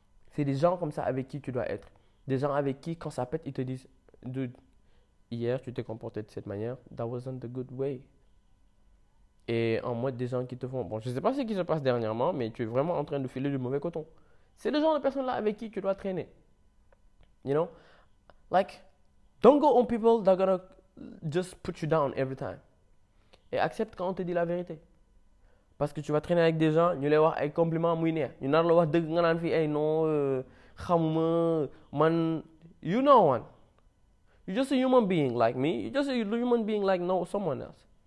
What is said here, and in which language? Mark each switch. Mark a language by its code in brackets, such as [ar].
[fr] C'est des gens comme ça avec qui tu dois être. Des gens avec qui, quand ça pète, ils te disent, dude, hier tu t'es comporté de cette manière, [en] that wasn't a good way. [fr] Et en mode des gens qui te font, bon, je ne sais pas ce qui se passe dernièrement, mais tu es vraiment en train de filer du mauvais coton. C'est le genre de personne-là avec qui tu dois traîner. [en] Like, don't go on people that are gonna just put you down every time. [fr] Et accepte quand on te dit la vérité. Parce que tu vas traîner avec des gens, ils vont dire, hey, compliment, moi, je suis là. Ils vont dire, hey, non, man, one. [en] You're just a human being like me. You're just a human being like no someone else.